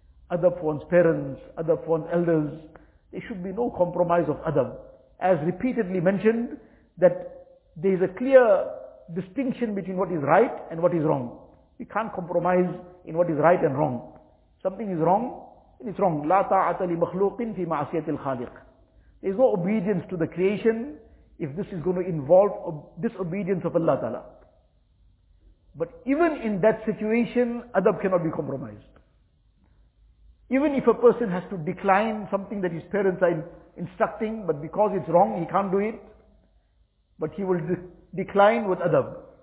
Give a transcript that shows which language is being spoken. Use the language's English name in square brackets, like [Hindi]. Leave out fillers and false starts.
[English] Adab for one's parents, adab for one's elders. There should be no compromise of adab. As repeatedly mentioned, that there is a clear distinction between what is right and what is wrong. We can't compromise in what is right and wrong. Something is wrong, then it's wrong. [Arabic] لا طاعة لمخلوقٍ في معصية الخالق. [English] There is no obedience to the creation if this is going to involve disobedience of Allah Ta'ala. But even in that situation, adab cannot be compromised. Even if a person has to decline something that his parents are instructing, but because it's wrong, he can't do it, but he will decline with adab.